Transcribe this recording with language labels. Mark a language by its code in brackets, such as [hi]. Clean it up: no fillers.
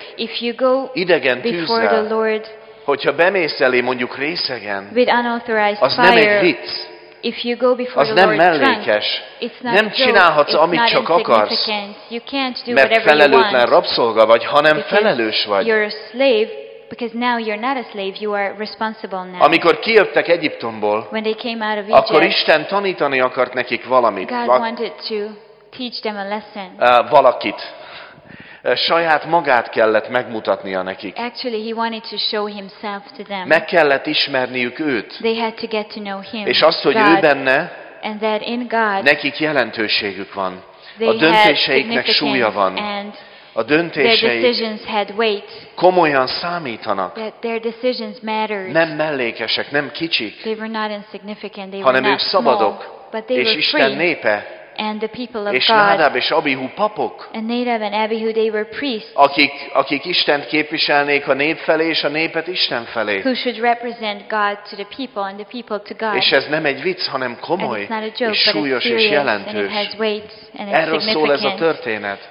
[en] If you go [hu] idegen [en] before the Lord. [hu] Hogyha bemész elé mondjuk részegen. [en] With unauthorized [hu] az nem egy vicc. [en] If you go before [hu] az [en] the Lord [hu] mellékes. [en] Trunk, it's not [hu] nem csinálhatsz, [en] joke, [hu] amit csak akarsz. [en] You can't do [hu] mert felelőtlen rabszolga vagy, hanem felelős vagy. [en] You're a slave, because now you're not a slave, you are responsible now. [hu] Amikor kijöttek Egyiptomból, [en] when they came out of [hu] Egypt, akkor Isten tanítani akart nekik valamit. [en] God wanted to teach them a lesson. [hu] Valakit. Saját magát kellett megmutatnia nekik. [en] Actually, he wanted to show himself to them. [hu] Meg kellett ismerniük őt. [en] They had to get to know him. [hu] És azt, hogy [en] God, [hu] ő benne, [en] and that in God, [hu] nekik jelentőségük van. [en] They [hu] a döntéseiknek súlya van. [en] And [hu] a döntéseik [en] their decisions had weight, [hu] komolyan számítanak. [en] That their decisions mattered. [hu] Nem mellékesek, nem kicsik. [en] They were not insignificant. They [hu] hanem [en] were not [hu] ők szabadok. [en] Small, but they [hu] és [en] were [hu] Isten [en] free. [hu] Népe. [en] And the people of [hu] és [en] God. [hu] Nádab és Abihu papok. [en] And Nadab and Abihu they were priests. [hu] Akik Istent képviselnék a nép felé és a népet Isten felé. [en] Who should represent God to the people and the people to God. [hu] És ez nem egy vicc, hanem komoly. [en] And it's not a joke, [hu] és súlyos [en] but it's [hu] és jelentős. [en] And it has weight and it's [hu] erről szól ez a történet.